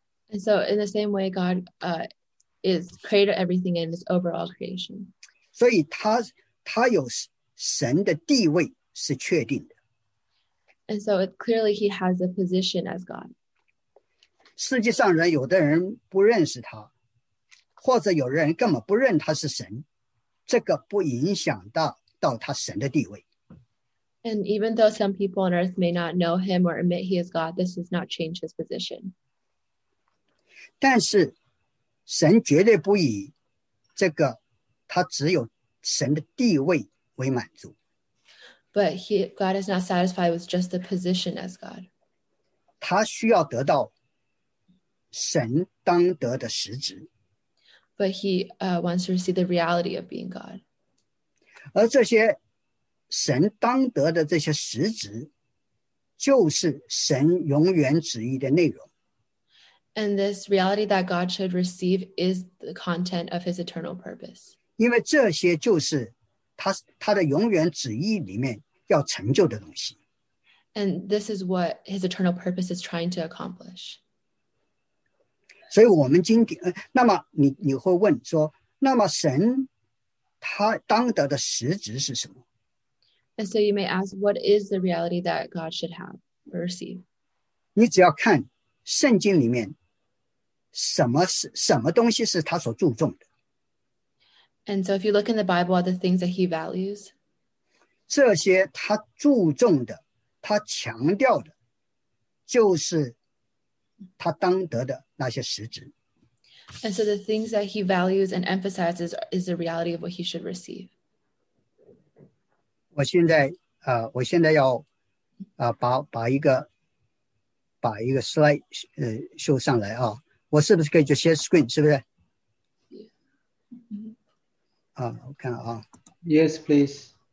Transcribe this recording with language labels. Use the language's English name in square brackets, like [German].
[English] And so in the same way, God is creator everything in his overall creation. [Chinese] 所以他有神的地位是确定的。 [English] And so it, clearly he has a position as God. [Chinese] 世界上人有的人不认识他，或者有人根本不认他是神，这个不影响到他神的地位。 [English] And even though some people on earth may not know him or admit he is God, this does not change his position. [Chinese] 但是神绝对不以这个他只有神的地位为满足。 [English] But God is not satisfied with just the position as God. [Chinese] 他需要得到神当得的实质。 [English] But he wants to receive the reality of being God. [Chinese] 而这些神当得的这些实质就是神永远旨意的内容。 [English] And this reality that God should receive is the content of his eternal purpose. [Chinese] 因为这些就是他的永远旨意里面要成就的东西。 [English] And this is what his eternal purpose is trying to accomplish. [Chinese] 所以我们今天，那么你会问说，那么神他当得的实质是什么？ [English] And so you may ask, what is the reality that God should have or receive? [Chinese] 你只要看圣经里面什么东西是他所注重的。 [English] And so if you look in the Bible at the things that he values, [Chinese] 这些他注重的，他强调的，就是他当得的那些实质。 [English] And so the things that he values and emphasizes is the reality of what he should receive. [Chinese] 我现在要把一个 slide 秀上来啊，我是不是可以就 share screen 是不是？啊，我看啊。 [English] Yes, please.